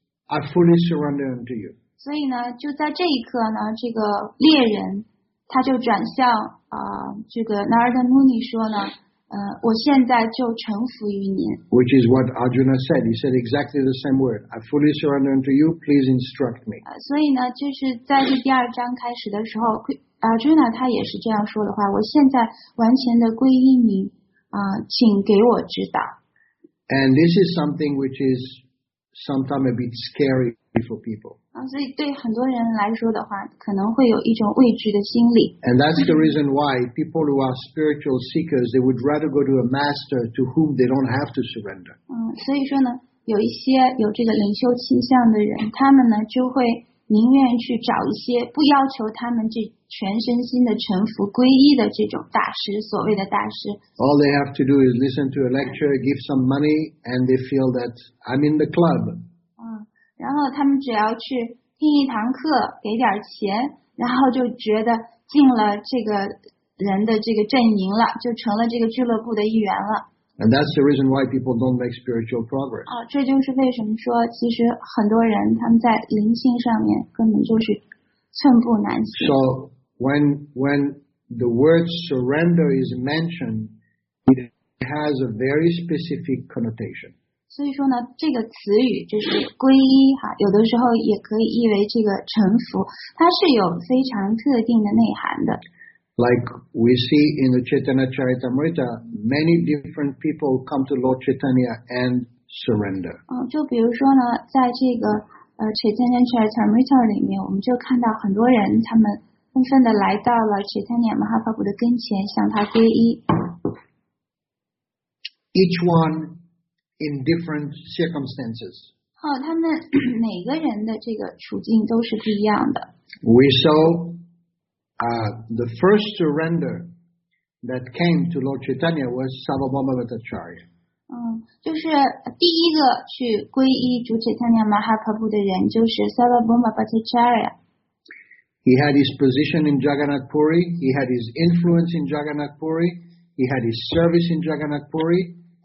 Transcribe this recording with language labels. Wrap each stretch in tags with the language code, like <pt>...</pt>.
<en>I fully surrender unto you.</en> <zh>所以呢，就在这一刻呢，这个猎人他就转向这个 Narada Muni 说呢，我现在就臣服于您。</zh> <en>Which is what Arjuna said. He said exactly the same word. I fully surrender unto you. Please instruct me.</en> <zh>所以呢，就是在这第二章开始的时候。 Arjuna 他也是这样说的话，我现在完全的归依你，请给我指导。</zh> <en>And this is something which is sometimes a bit scary for people.</en> <zh>所以对很多人来说的话，可能会有一种畏惧的心理。</zh> <en>And that's the reason why people who are spiritual seekers, they would rather go to a master to whom they don't have to surrender.</en> <zh>所以说呢，有一些有这个灵修倾向的人，他们呢就会宁愿去找一些不要求他们这全身心的臣服皈依的这种大师，所谓的大师。</zh> <en>All they have to do is listen to a lecture, give some money, and they feel that I'm in the club.</en> <zh>然后他们只要去听一堂课，给点钱，然后就觉得进了这个人的这个阵营了，就成了这个俱乐部的一员了。</zh> <en>And that's the reason why people don't make spiritual progress.</en> <zh>这就是为什么说其实很多人他们在灵性上面根本就是寸步难行。</zh> <en>So when the word surrender is mentioned, it has a very specific connotation.</en> <zh>所以说呢，这个词语就是皈依哈，有的时候也可以译为这个臣服，它是有非常特定的内涵的。</zh> <en>Like we see in the Chaitanya Charitamrita, many different people come to Lord Chaitanya and surrender.</en> <zh>就比如说呢，在这个Chaitanya Charitamrita 里面，我们就看到很多人他们纷纷的来到了 Chaitanya Mahaprabhu 的跟前，向他皈依。</zh> <en>Each one in different circumstances.</en> <zh>他们每个人的这个处境都是不一样的。</zh> <en>We saw. The first surrender that came to Lord Chaitanya was Sarvabhauma Bhattacharya.</en> <zh>就是第一个去皈依主 Chaitanya Mahaprabhu 的人就是 Sarvabhauma Bhattacharya.</zh> <en>He had his position in Jagannath Puri, he had his influence in Jagannath Puri, he had his service in Jagannath Puri.</en>